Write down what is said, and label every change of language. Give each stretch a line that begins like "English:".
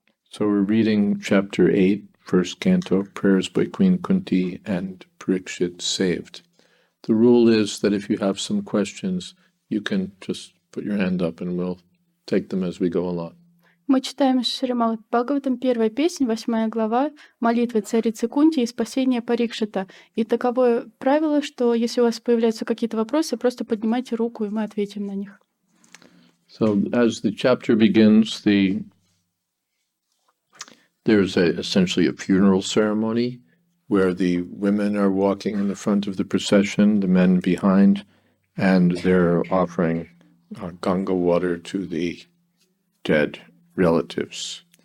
English: So we're reading chapter 8, first canto, prayers by Queen Kunti and Parikshit saved. The rule is that if you have some questions, you can just put your hand up and we'll take them as we go along.
Russian: Мы читаем Шримад Бхагаватам, первая песня, восьмая глава, молитвы царицы Кунти и спасение Парикшита. И таковое правило, что если у вас появляются какие-то вопросы, просто поднимайте руку, и мы ответим на них.
English: So as the chapter begins, there's essentially a funeral ceremony where the women are walking in the front of the procession, the men behind, and they're offering Ganga water to the dead relatives.